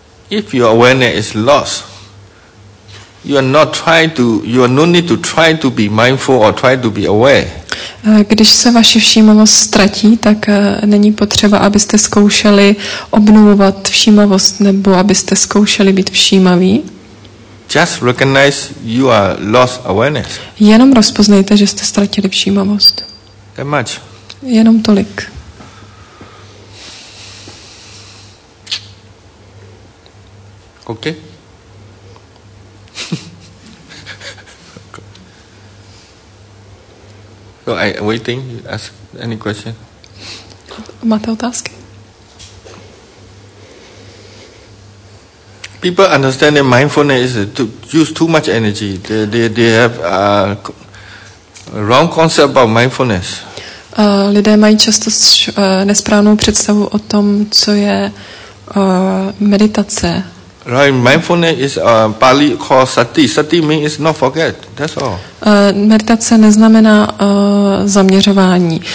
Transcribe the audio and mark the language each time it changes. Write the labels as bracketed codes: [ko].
[en] If your awareness is lost, you are no need to try to be mindful or try to be aware. [cs] Když se vaše všímavost ztratí, tak není potřeba, abyste zkoušeli obnovovat všímavost nebo abyste zkoušeli být všímaví. [en] Just recognize you are lost awareness. [cs] Jenom rozpoznejte, že jste ztratili všímavost. [en] That much. [cs] Jenom tolik. [en] Okay. So I waiting. Ask any question. [cs] Máte otázky? [en] People understand that mindfulness is to use too much energy. They have a wrong concept about mindfulness. [cs] Lidé mají často nesprávnou představu o tom, co je meditace. [en] Right, mindfulness is a Pali called sati. Sati means not forget. That's all. [cs] Meditace neznamená zaměřování.